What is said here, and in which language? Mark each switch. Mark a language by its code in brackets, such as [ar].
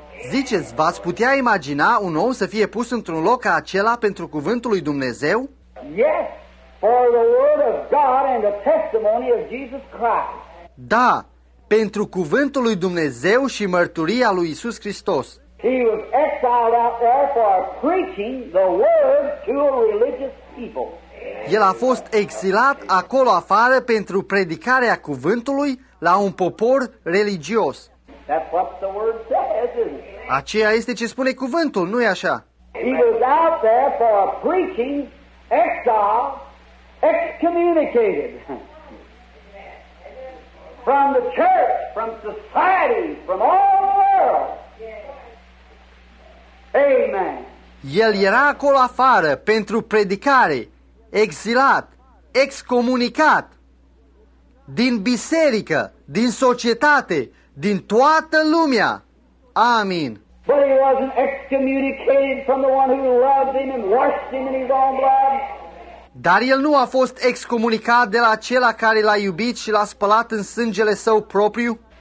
[ro] Ziceți, v-ați putea imagina un om să fie pus într-un loc ca acela pentru cuvântul lui Dumnezeu? [en] Yes, for the word of God and the testimony of Jesus Christ. [ro] Da, pentru cuvântul lui Dumnezeu și mărturia lui Iisus Hristos. [en] He was exiled out there for preaching the word to a religious people. [ro] El a fost exilat acolo afară pentru predicarea cuvântului la un popor religios. [en] That's what the word says, isn't it? [ro] Aceea este ce spune cuvântul, nu-i așa? [en] He was out there for preaching, exiled, excommunicated. From the church, from society, from all the world. Amen. [ro] El era acolo afară pentru predicare, exilat, excomunicat, din biserică, din societate, din toată lumea. Amin. [en] But he wasn't excommunicated from the one who loved him and washed him in his own blood. [ro] Dar el nu a fost excomunicat de la acela care l-a iubit și l-a spălat în sângele său propriu?